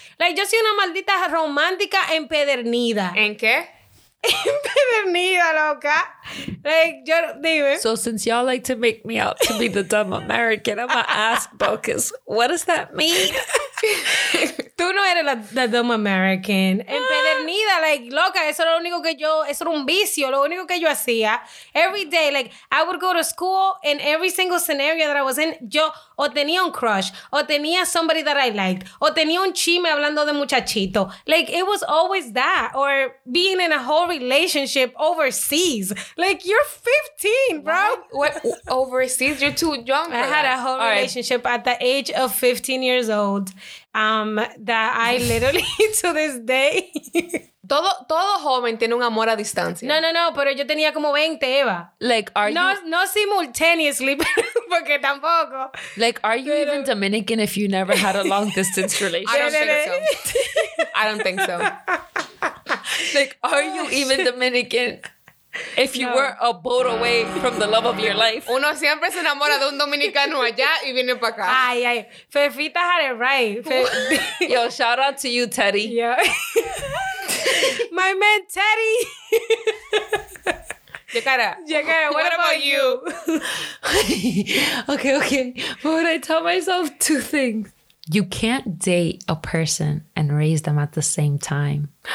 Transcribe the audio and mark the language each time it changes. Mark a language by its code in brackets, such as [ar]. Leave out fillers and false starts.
[es] Like, yo soy una maldita romántica empedernida. ¿En qué? Empedernida, loca. Like, yo, dime. [en] So since y'all like to make me out to be the dumb American, I'm gonna ask Bocas, what does that mean? [es] Tú no eres la [en] dumb American. [es] Empedernida, vida. Like, loca, eso era lo único que yo, eso era un vicio, lo único que yo hacía. [en] Every day, like, I would go to school and every single scenario that I was in, [es] yo o tenía un crush, o tenía somebody that I liked, o tenía un chisme hablando de muchachito. [en] Like, it was always that. Or being in a whole relationship overseas. Like, you're 15, bro. What? Overseas? You're too young for I had a whole relationship at the age of 15 years old. That I literally to this day. [es] todo joven tiene un amor a distancia. No, pero yo tenía como 20, Eva. [en] Like, are no, you? [es] No simultaneously, porque tampoco. [en] Like, are you pero... even Dominican if you never had a long distance relationship? I don't think so. Like, are you even Dominican if you were a boat away from the love of your life? [es] Uno siempre se enamora de un dominicano allá y viene para acá. [en] Ay, ay. Fefita had it right. Yo, shout out to you, Teddy. Yeah. My man, Teddy. Yekara, what about you? Okay. What would I tell myself? Two things. You can't date a person and raise them at the same time.